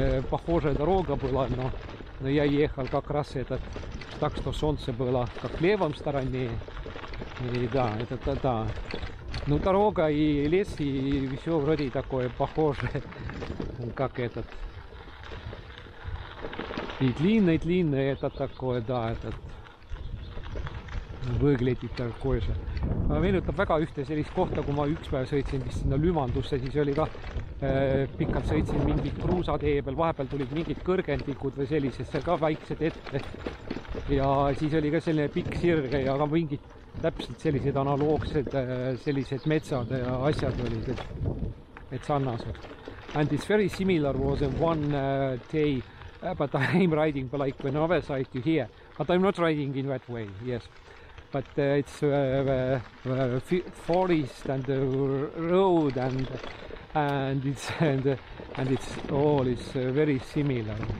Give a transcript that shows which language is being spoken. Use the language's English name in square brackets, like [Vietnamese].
[Russian] Похожая дорога была, но я ехал как раз этот, так что солнце было как в левом стороне. И да, это да. Ну, дорога и лес, и все вроде такое похожее, как этот. И длинный это такое, да, этот. Выглядит такой же. [Estonian] Ma meenutab väga ühte sellist kohta, kui ma üks päev sõitsin vist sinna Lümandusse, siis oli ka pikalt sõitsin mingid kruusatee peal, vahepeal tulid mingid kõrgendikud või sellised, seal ka väiksed ette. Ja siis oli ka selline pikk sirge ja ka mingid täpselt sellised analoogsed sellised metsad ja asjad olid, et sannased. [English] And it's very similar was in one day, but I'm riding by like when other side you hear, but I'm not riding in that way, yes. But it's forest and the road and it's all is very similar.